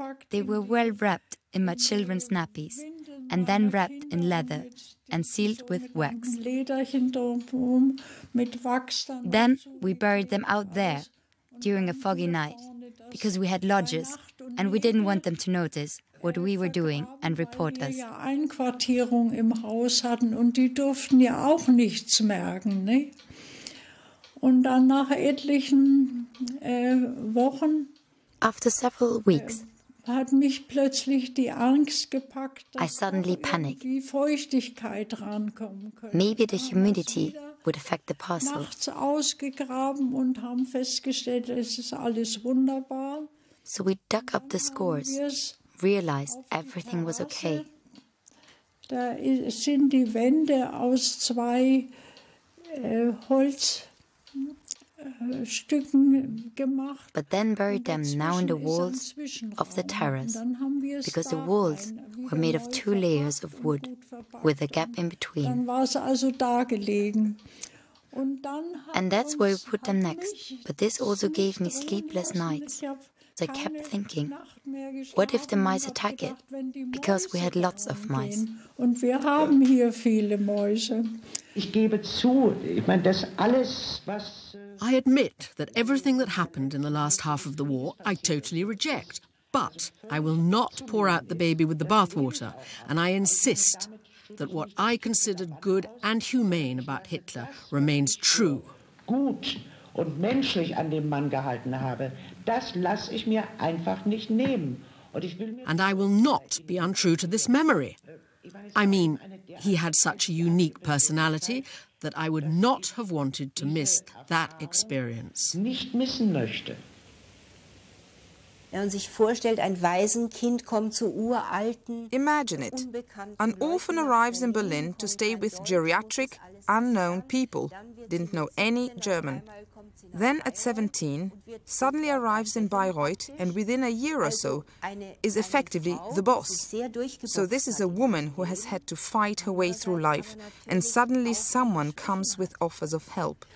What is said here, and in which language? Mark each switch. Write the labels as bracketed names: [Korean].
[English] They were well wrapped in my children's nappies and then wrapped in leather and sealed with wax. Then we buried them out there during a foggy night because we had lodges and we didn't want them to notice what we were doing and report us. [German] Einquartierung im Haus hatten und die durften ja auch nichts merken, ne? Und dann nach etlichen Wochen. [English] After several weeks. [German] Hat mich plötzlich die Angst gepackt, [English] dass I suddenly panicked. [German] Die Feuchtigkeit rankommen könnte. [English] Maybe the humidity would affect the parcel. [German] Nachts ausgegraben und haben festgestellt, es ist alles wunderbar. [English] So we dug up the scores, realized everything was okay. [German] Da sind die Wände aus zwei Holzstücken gemacht. [English] But then buried them now in the walls of the terrace, because the walls were made of two layers of wood with a gap in between. [German] Dann war es also da gelegen. Und dann [English] and that's where we put them next. But this also gave me sleepless nights. So I kept thinking, what if the mice attack it? Because we had lots of mice. [German] Und wir haben hier viele Mäuse. Ich gebe zu, ich meine, das alles, was... [English] I admit that everything that happened in the last half of the war, I totally reject. But I will not pour out the baby with the bathwater. And I insist that what I considered good and humane about Hitler remains true. [German] Gut und menschlich an dem Mann gehalten habe, das lasse ich mir einfach nicht nehmen. Und ich will mir [English] and I will not be untrue to this memory. I mean, he had such a unique personality that I would not have wanted to miss that experience. [German] Nicht missen möchte. Wenn man sich vorstellt, ein Waisenkind kommt zu uralten, [English] imagine it. An orphan arrives in Berlin to stay with geriatric, unknown people, didn't know any German. Then at 17, suddenly arrives in Bayreuth and within a year or so is effectively the boss. So this is a woman who has had to fight her way through life and suddenly someone comes with offers of help.